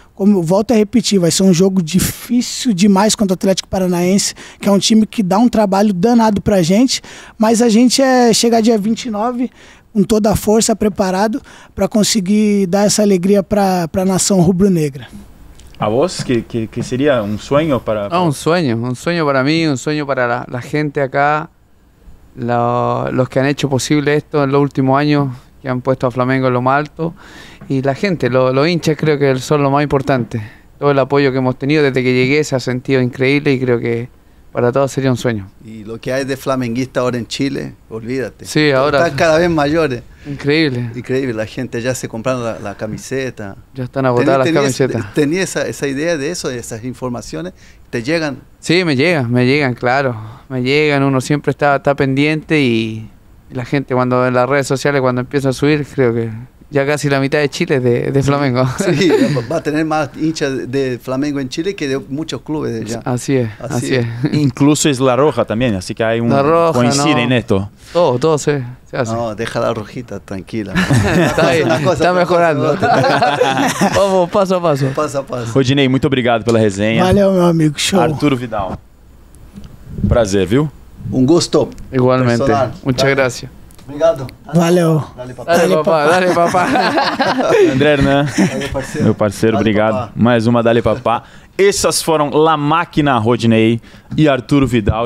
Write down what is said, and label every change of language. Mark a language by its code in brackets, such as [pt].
[pt] Como eu volto a repetir, vai ser um jogo difícil demais contra o Atlético Paranaense, que é um time que dá um trabalho danado pra gente, mas a gente é chegar dia 29 com toda a força, preparado pra conseguir dar essa alegria pra nação rubro-negra. A voz que seria um sonho para... Ah, um sonho para mim, um sonho para a gente [es] acá, los que han hecho posible esto en los últimos años, que han puesto a Flamengo en lo más alto. Y la gente, los hinchas creo que son lo más importante. Todo el apoyo que hemos tenido desde que llegué se ha sentido increíble y creo que para todos sería un sueño. Y lo que hay de flamenguista ahora en Chile, olvídate. Sí, ahora... Están cada vez mayores. Increíble. Increíble, la gente ya se compraron la camiseta. Ya están agotadas las camisetas. ¿Tenía esa idea de eso, de esas informaciones? ¿Te llegan? Sí, me llegan, claro. Me llegan, uno siempre está pendiente y la gente cuando en las redes sociales, cuando empieza a subir, creo que... Ya casi la mitad de Chile es de Flamengo. Sí, va a tener más hinchas de Flamengo en Chile que de muchos clubes de allá. Así es. Incluso es La Roja también, así que hay un La Roja, coincide no. En esto. Todo sí, se hace. No, deja La Rojita tranquila. Está ahí, está mejorando. Vamos, paso a paso. Paso a paso. [pt] Rodinei, muito obrigado pela resenha. Valeu, meu amigo, show. Arturo Vidal. Prazer, viu? Um gosto. [es] Igualmente. Personal. Muchas gracias. [pt] Obrigado. Valeu. [es] Dale papá. [pt] André Hernan. Dale, parceiro. Meu parceiro, dale, obrigado. Papá. Mais uma Dale Papá. Essas foram La Máquina, Rodinei e Arturo Vidal.